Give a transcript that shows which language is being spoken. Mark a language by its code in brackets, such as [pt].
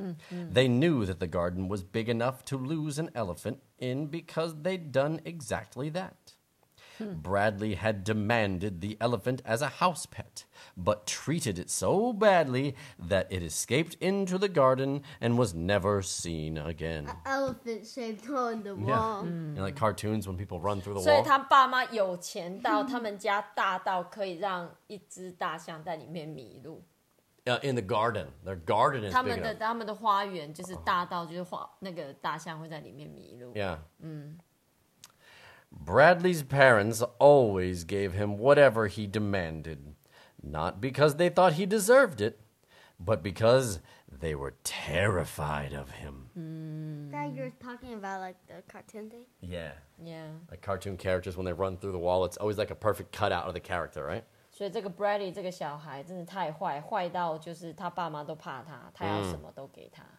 [en] They knew that the garden was big enough to lose an elephant in because they'd done exactly that. Bradley had demanded the elephant as a house pet, but treated it so badly that it escaped into the garden and was never seen again. An elephant shaped on the wall. Yeah. You know, like cartoons when people run through the wall. [zh] 所以他爸妈有钱到他们家大到可以让一只大象在里面迷路。 [en] In the garden. Their garden is big enough. [zh] 他们的花园就是大到就是花那个大象会在里面迷路。 [en] Yeah. 嗯。 Bradley's parents always gave him whatever he demanded. not because they thought he deserved it, but because they were terrified of him. That you're talking about, like, the cartoon thing? Yeah. Yeah. Like, cartoon characters, when they run through the wall, it's always, like, a perfect cutout of the character, right? [zh] 所以这个 Bradley 这个小孩真的太坏, 坏到就是他爸妈都怕他, 他要什么都给他。